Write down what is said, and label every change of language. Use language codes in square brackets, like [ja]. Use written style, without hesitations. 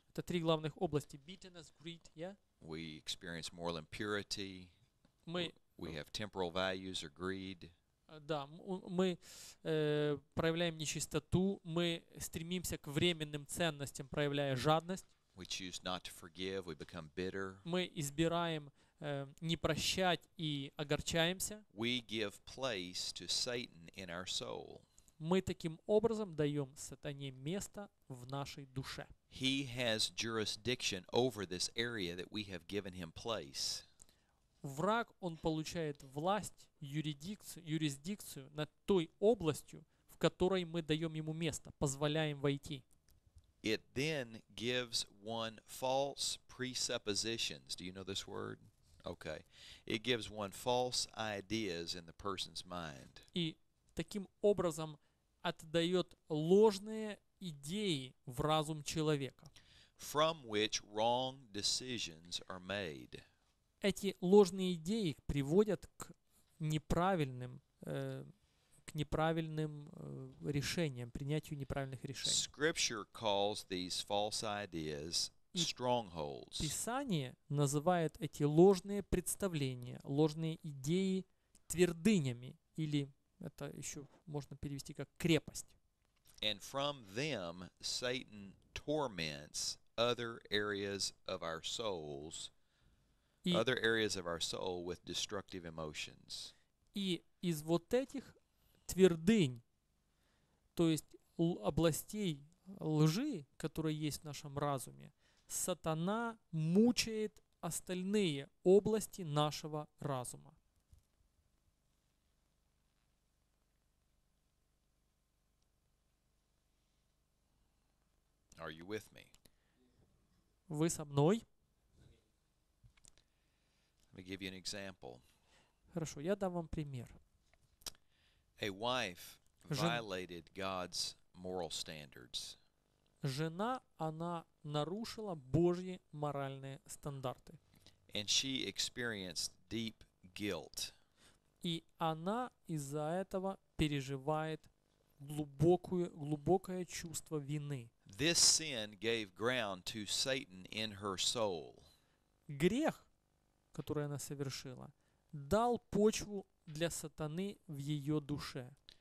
[ru] Это три главных области. [en] Bitterness, greed, yeah? We experience moral impurity. [ru] Мы, [en] we have temporal values or greed. [ru] Да, мы проявляем нечистоту. Мы стремимся к временным ценностям, проявляя жадность. [en] We choose not to forgive, we become bitter. [ru] Мы избираем не прощать и огорчаемся. [en] We give place to Satan in our soul. [ru] Мы таким образом даем сатане место в нашей душе. [en] He has jurisdiction over this area that we have given him place. [ru] Враг, он получает власть, юрисдикцию над той областью, в которой мы даем ему место, позволяем войти. [en] It then gives one false presuppositions. Do you know this word? Okay. It gives one false ideas in the person's mind. [ru] И таким образом отдает ложные идеи в разум человека. [en] From which wrong decisions are made. [ru] Эти ложные идеи приводят к неправильным решениям, принятию неправильных решений. [en] Scripture calls these false ideas strongholds. [ru] Писание называет эти ложные представления, ложные идеи твердынями, или это еще можно перевести как крепость. [en] And from them Satan torments other areas of our souls, other areas of our soul with destructive emotions. [ru] И из вот этих твердынь, то есть областей лжи, которые есть в нашем разуме, сатана мучает остальные области нашего разума. [en] Are you with me? [ru] Вы со мной? [en] Let me give you an example. [ru] Хорошо, я дам вам пример. [en] A wife violated God's moral standards. [ru] Жена, она нарушила Божьи моральные стандарты. [en] And she experienced deep guilt. [ru] И она из-за этого переживает глубокое чувство вины. [en] This sin gave ground to Satan in her soul. [ru] Грех, который она совершила, дал почву для сатаны в ее душе.